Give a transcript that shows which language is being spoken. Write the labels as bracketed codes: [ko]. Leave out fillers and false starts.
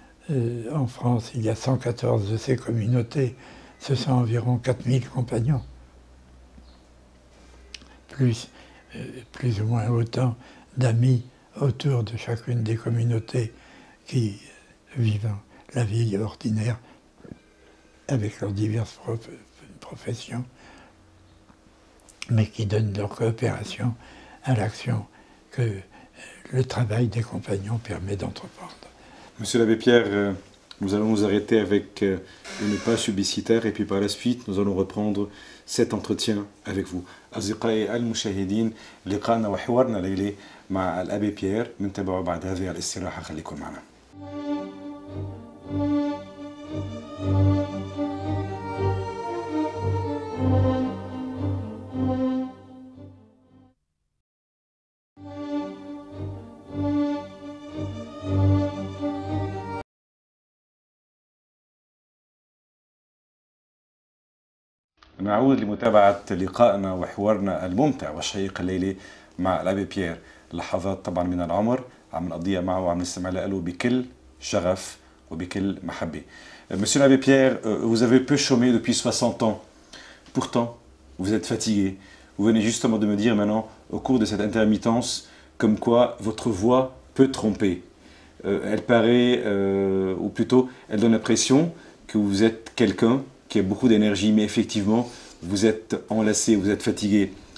[fr] En France, il y a 114 de ces communautés, ce sont environ 4000 compagnons, plus ou moins autant d'amis autour de chacune des communautés qui vivent la vie ordinaire avec leurs diverses professions, mais qui donnent leur coopération à l'action que le travail des compagnons permet d'entreprendre. Monsieur l'abbé Pierre, nous allons nous arrêter avec une page publicitaire et puis par la suite, nous allons reprendre cet entretien avec vous. [ar] أصدقائي المشاهدين، لقاءنا وحوارنا الليلي مع الأبي بيير منتبعه بعد هذه الاستراحة، خليكم معنا. نعود لمتابعة لقائنا وحوارنا الممتع والشيق الليلي مع الأبي بيير. لحظات طبعا من العمر عم نقضيها معه وعم نستمع له بكل شغف وبكل محبة. [fr] Monsieur l'Abbé Pierre, vous avez peu chômé depuis 60 ans. Pourtant, vous êtes fatigué. Vous venez justement de me dire maintenant, au cours de cette intermittence, comme quoi votre voix peut tromper. Elle paraît, ou plutôt, elle donne l'impression que vous êtes quelqu'un qui a beaucoup d'énergie, mais effectivement, vous êtes enlacé, vous êtes fatigué.